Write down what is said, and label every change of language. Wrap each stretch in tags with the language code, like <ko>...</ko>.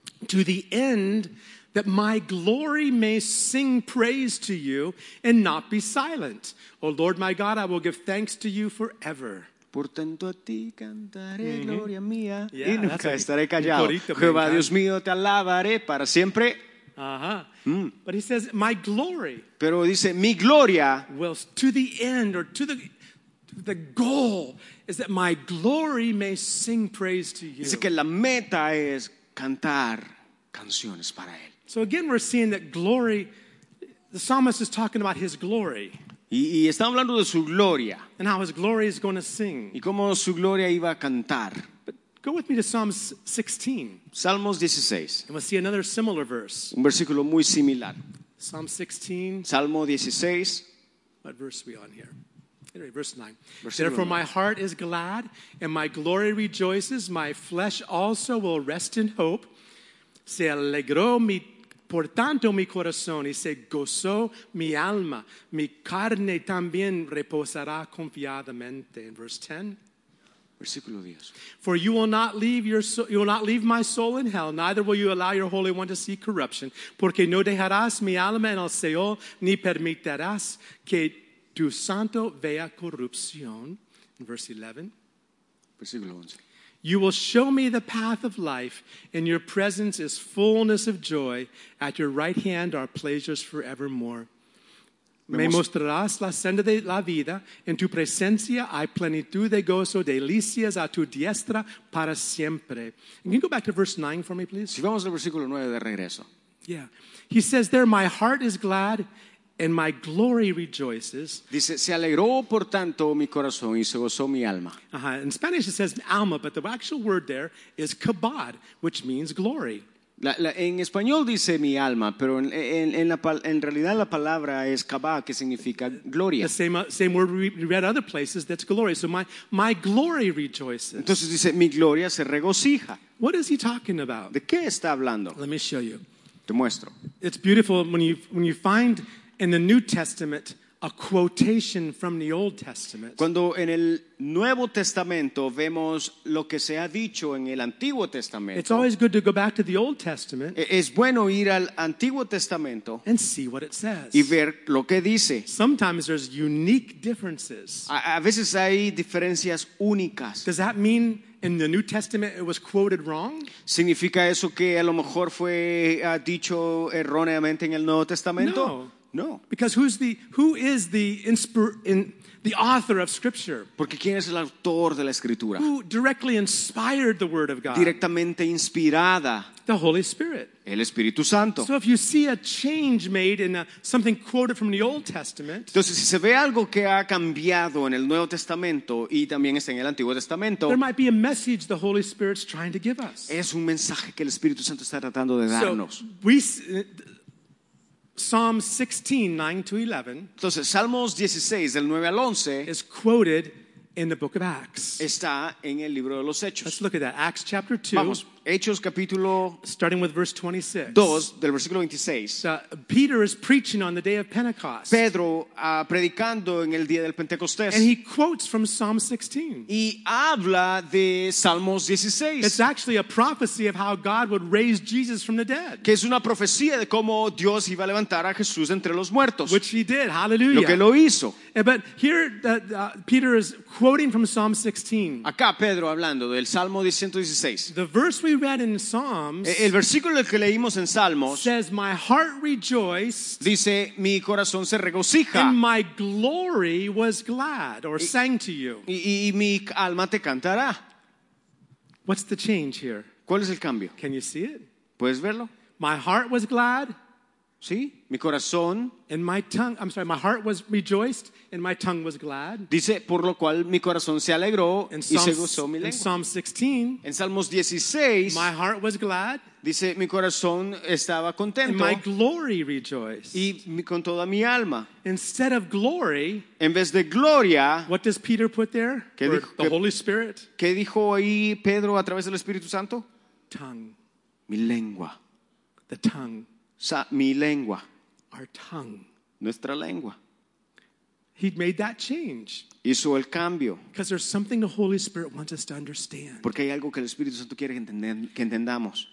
<en>To the end that my glory may sing praise to you and not be silent. O Lord my God, I will give thanks to you forever.</en> <es>Por tanto a ti cantaré gloria mía y nunca estaré callado. Jehová Dios mío te alabaré para siempre.</es> <en>Uh-huh. But he says, "My glory."</en> <es>Pero dice, mi gloria.</es> <en>Well, to the end or to the goal is that my glory may sing praise to you.</en> <es>Dice que la meta es cantar canciones para él.</es> <en>So again, we're seeing that glory. The psalmist is talking about his glory.</en> <es>Y está hablando de su gloria.</es> <en>And how his glory is going to sing.</en> <es>Y cómo su gloria iba a cantar.</es> <en>Go with me to Psalms 16.</en> <es>Salmos 16.</es> <en>And we'll see another similar verse.</en> <es>Un versículo muy similar.</es> <en>Psalm 16.</en> <es>Salmo 16.</es> <en>What verse are we on here? Anyway, verse 9. Therefore my heart is glad and my glory rejoices. My flesh also will rest in hope.</en> <es>Se alegró mi, por tanto mi corazón. Y se gozó mi alma. Mi carne también reposará confiadamente.</es> <en>In verse 10.</en> <es>Versículo 10.</es> <en>For you will not leave you will not leave my soul in hell, neither will you allow your Holy One to see corruption.</en> <es>Porque no dejarás mi alma en el Seol, ni permitirás que tu santo vea corrupción.</es> <en>Verse 11.</en> <es>Versículo 11.</es> <en>You will show me the path of life, and your presence is fullness of joy. At your right hand are pleasures forevermore.</en> <es>Me mostrarás la senda de la vida. En tu presencia hay plenitud de gozo, delicias a tu diestra para siempre.</es> <en>And can you go back to verse 9 for me, please?</en> <es>Si vamos al versículo 9 de regreso.</es> <en>Yeah. He says there, my heart is glad and my glory rejoices.</en> <es>Dice, se alegró por tanto mi corazón y se gozó mi alma. Uh-huh.</es> <en>In Spanish it says alma, but the actual word there is kabod, which means glory.</en> <es>En español dice mi alma, pero en realidad la palabra es kabah, que significa gloria.</es> <en>The same word we read other places, that's glory. So my glory rejoices.</en> <es>Entonces dice, mi gloria se regocija.</es> <en>What is he talking about?</en> <es>¿De qué está hablando?</es> <en>Let me show you.</en> <es>Te muestro.</es> <en>It's beautiful when you find in the New Testament a quotation from the Old Testament.</en> <es>Cuando en el Nuevo Testamento vemos lo que se ha dicho en el Antiguo Testamento.</es> <en>It's always good to go back to the Old Testament.</en> <es>Es bueno ir al Antiguo Testamento.</es> <en>And see what it says.</en> <es>Y ver lo que dice.</es> <en>Sometimes there's unique differences.</en> <es>A veces hay diferencias únicas.</es> <en>Does that mean in the New Testament it was quoted wrong?</en> <es>¿Significa eso que a lo mejor fue dicho erróneamente en el Nuevo Testamento?</es> <en>No. Because who is the author of Scripture?</en> <es>Porque ¿quién es el autor de la Escritura?</es> <en>Who directly inspired the Word of God?</en> <es>Directamente inspirada.</es> <en>The Holy Spirit.</en> <es>El Espíritu Santo.</es> <en>So if you see a change made in something quoted from the Old Testament,</en> <es>entonces si se ve algo que ha cambiado en el Nuevo Testamento y también está en el Antiguo Testamento,</es> <en>there might be a message the Holy Spirit's trying to give us.</en> <es>Es un mensaje que el Espíritu Santo está tratando de darnos.</es> <en>So we Psalm 16, 9 to 11.</en> <es>Entonces, Salmos 16, del 9 al 11,</es> <en>is quoted in the book of Acts.</en> <es>Está en el libro de los Hechos.</es> <en>Let's look at that. Acts chapter 2.</en> <es>Vamos, Hechos capítulo,</es> <en>starting with verse 26.</en> <es>2, del versículo 26.</es> <en>Peter is preaching on the day of Pentecost.</en> <es>Pedro predicando en el día del Pentecostés.</es> <en>And he quotes from Psalm 16.</en> <es>Y habla de Salmos 16.</es> <en>It's actually a prophecy of how God would raise Jesus from the dead.</en> <es>Que es una profecía de cómo Dios iba a levantar a Jesús entre los muertos.</es> <en>Which he did. Hallelujah.</en> <es>Lo que lo hizo.</es> <en>But here Peter is quoting from Psalm 16.</en> <es>Acá Pedro hablando del Salmo 116.</es> <en>The verse we read in Psalms,</en> <es>el versículo que leímos en Salmos,</es> <en>says my heart rejoiced,</en> <es>dice mi corazón se regocija,</es> <en>and my glory was glad, or sang to you.</en> <es>Y mi alma te cantará.</es> <en>What's the change here?</en> <es>¿Cuál es el cambio?</es> <en>Can you see it?</en> <es>¿Puedes verlo?</es> <en>My heart was glad.</en> <es>Sí, mi corazón.</es> <en>And my tongue, I'm sorry, my heart was rejoiced and my tongue was glad.</en> <es>Dice, por lo cual mi corazón se alegró y se gozó mi lengua.</es> <en>In Psalm 16,</en> <es>en Salmos 16,</es> <en>my heart was glad.</en> <es>Dice, mi corazón estaba contento.</es> <en>And my glory rejoiced.</en> <es>Y con toda mi alma.</es> <en>Instead of glory,</en> <es>en vez de gloria,</es> <en>what does Peter put there?</en> <es>¿Qué dijo,</es> <en>the Holy Spirit?</en> <es>¿Qué dijo ahí Pedro a través del Espíritu Santo?</es> <en>Tongue.</en> <es>Mi lengua.</es> <en>The tongue.</en> <es>Mi lengua.</es> <en>Our tongue.</en> <es>Nuestra lengua.</es> <en>He made that change.</en> <es>Hizo el cambio.</es> <en>Because there's something the Holy Spirit wants us to understand.</en> <es>Porque hay algo que el Espíritu Santo quiere que entendamos.</es>